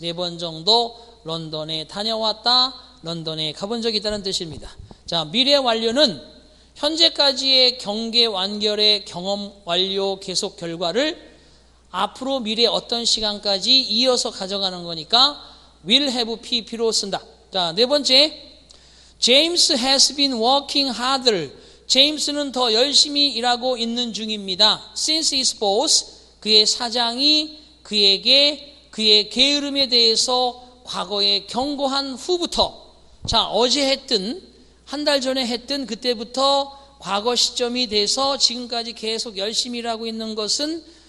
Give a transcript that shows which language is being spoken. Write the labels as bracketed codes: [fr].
[ko] 4번 정도 런던에 다녀왔다. 런던에 가본 적이 있다는 뜻입니다. 자, 미래 완료는 현재까지의 경계 완결의 경험 완료 계속 결과를 앞으로 미래 어떤 시간까지 이어서 가져가는 거니까 will have pp로 쓴다. 자, 네 번째, [en] James has been working harder. [ko] 제임스는 더 열심히 일하고 있는 중입니다. [en] Since his boss, [ko] 그의 사장이 그에게 그의 게으름에 대해서 과거에 경고한 후부터, 자, 어제 했든 한 달 전에 했든 그때부터 과거 시점이 돼서 지금까지 계속 열심히 일하고 있는 것은